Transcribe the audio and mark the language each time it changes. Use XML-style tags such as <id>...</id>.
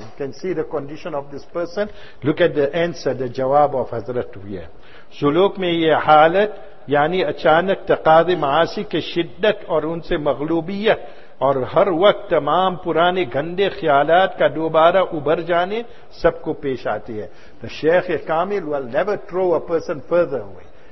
<en>You can see the condition of this person. Look at the answer, the jawab of Hazrat here.</en> <ur>سلوک میں یہ حالت یعنی اچانک تقاضی معاصی کے شدت اور ان سے مغلوبیت اور ہر وقت تمام پرانے گندے خیالات کا دوبارہ ابھر جانے سب کو پیش آتی ہے.</ur> <en>The شیخ کامل will never throw a person further away.</en>